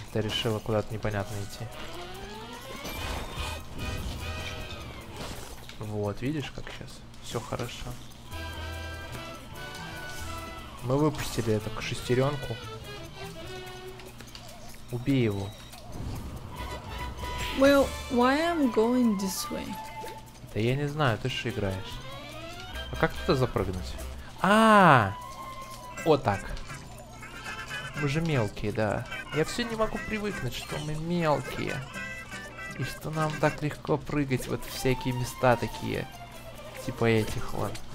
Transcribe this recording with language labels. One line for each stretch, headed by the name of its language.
Russian: Ты решила куда-то непонятно идти. Вот, видишь, как сейчас? Все хорошо. Мы выпустили эту шестеренку. Убей его.
English: Well, why am I going this way?
Russian: Да я не знаю, ты же играешь. А как туда запрыгнуть? А! Вот так. Мы же мелкие, да. Я все не могу привыкнуть, что мы мелкие. И что нам так легко прыгать вот в всякие места такие. Типа этих вот.